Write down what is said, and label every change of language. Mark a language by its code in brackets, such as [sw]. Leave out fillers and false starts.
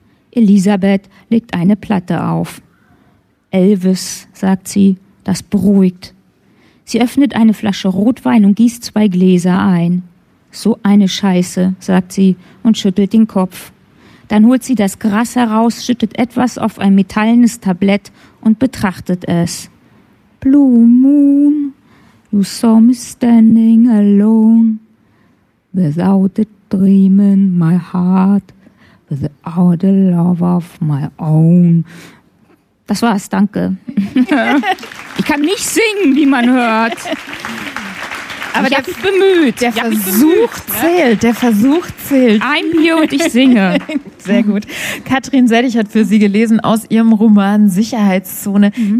[de] Elisabeth legt eine Platte auf. Elvis, sagt sie, das beruhigt. Sie öffnet eine Flasche Rotwein und gießt zwei Gläser ein. So eine Scheiße, sagt sie und schüttelt den Kopf. Dann holt sie das Gras heraus, schüttet etwas auf ein metallenes Tablett und betrachtet es. [en] Blue Moon, you saw me standing alone, without a dream in my heart, without a love of my own. [de] Das war's, danke. Ich kann nicht singen, wie man hört. Aber ich hab's bemüht. Der Versuch zählt, der Versuch zählt. Ein Bier und ich singe. Sehr gut. Katrin Sellig hat für Sie gelesen aus ihrem Roman Sicherheitszone. Mhm.